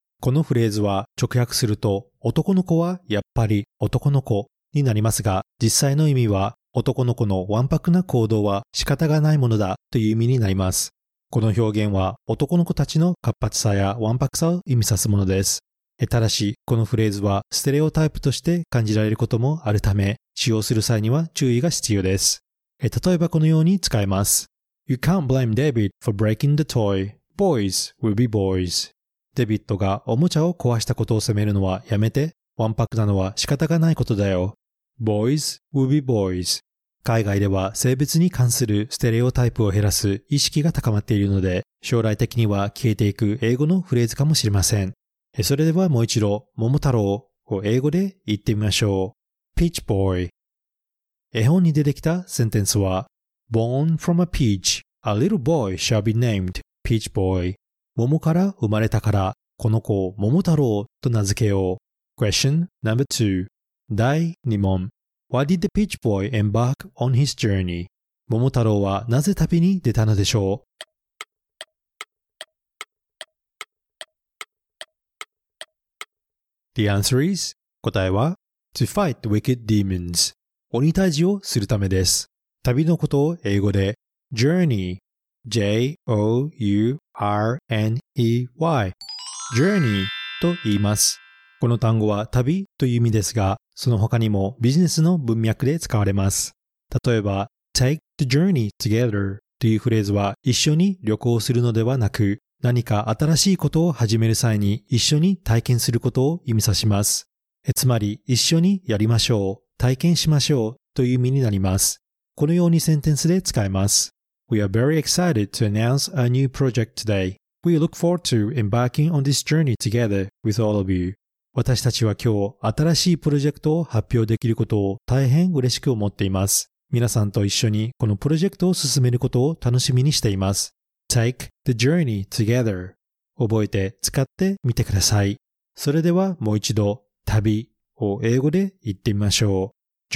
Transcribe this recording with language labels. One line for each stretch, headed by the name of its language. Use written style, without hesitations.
Japanese: このフレーズは直訳すると男の子はやっぱり男の子になりますが、実際の意味は男の子のわんぱくな行動は仕方がないものだという意味になります。この表現は男の子たちの活発さやわんぱくさを意味さすものです。ただし、このフレーズはステレオタイプとして感じられることもあるため、使用する際には注意が必要です。例えばこのように使えます。
English: You can't blame David for breaking the toy. Boys will be boys.
Japanese: デビッドがおもちゃを壊したことを責めるのはやめて。わんぱくなのは仕方がないことだよ。
English: Boys will be boys.
Japanese: 海外では性別に関するステレオタイプを減らす意識が高まっているので、将来的には消えていく英語のフレーズかもしれません。それではもう一度、桃太郎を英語で言ってみましょう。
English: Peach boy。
Japanese: 絵本に出てきたセンテンスは、
English: Born from a peach, a little boy shall be named Peach boy。
Japanese: 桃から生まれたから、この子を桃太郎と名付けよう。
English: Question number two。
Japanese: 第2問。
English: Why did the peach boy embark on his journey?
Japanese: 桃太郎はなぜ旅に出たのでしょう？
English: The answer is
Japanese: 答えは
English: To fight wicked demons
Japanese: 鬼退治をするためです。旅のことを英語で Journey J-O-U-R-N-E-Y Journey と言います。この単語は旅という意味ですが、その他にもビジネスの文脈で使われます。例えば
English: Take the journey together
Japanese: というフレーズは一緒に旅行するのではなく、何か新しいことを始める際に一緒に体験することを意味さします。つまり一緒にやりましょう、体験しましょうという意味になります。このようにセンテンスで使えます。
English: We are very excited to announce a new project today. We look forward to embarking on this journey together with all of you.
Japanese: 私たちは今日新しいプロジェクトを発表できることを大変嬉しく思っています。皆さんと一緒にこのプロジェクトを進めることを楽しみにしています。
English: Take the journey together.
Japanese: 覚えて使ってみてください。それではもう一度、旅を英語で言ってみましょう。